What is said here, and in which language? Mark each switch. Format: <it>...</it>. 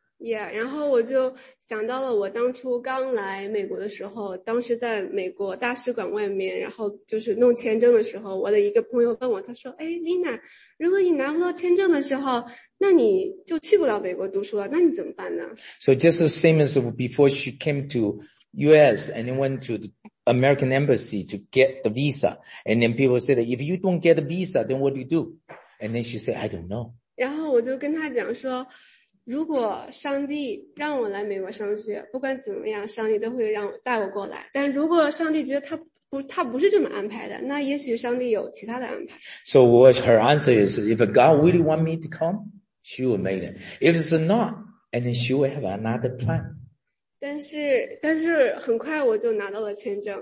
<zh>Yeah, 然后我就想到了我当初刚来美国的时候, 当时在美国大使馆外面, 然后就是弄签证的时候, 我的一个朋友问我, 他说, 诶, Lina, 如果你拿不到签证的时候, 那你就去不了美国读书了, 那你怎么办呢?</zh> <en>So just the same as before she came to US and then went to the American embassy to get the visa. And then people said, if you don't get a visa, then what do you do? And then she said, I don't know.</en> <zh>然后我就跟她讲说, 如果上帝让我来美国上学, 不管怎么样, 上帝都会让我带我过来, 但如果上帝觉得他不是这么安排的, 那也许上帝有其他的安排。</zh> <en>So what her answer is, if God really want me to come, she will make it. If it's not, and then she will have another plan.</en> <zh>但是很快我就拿到了签证。</zh>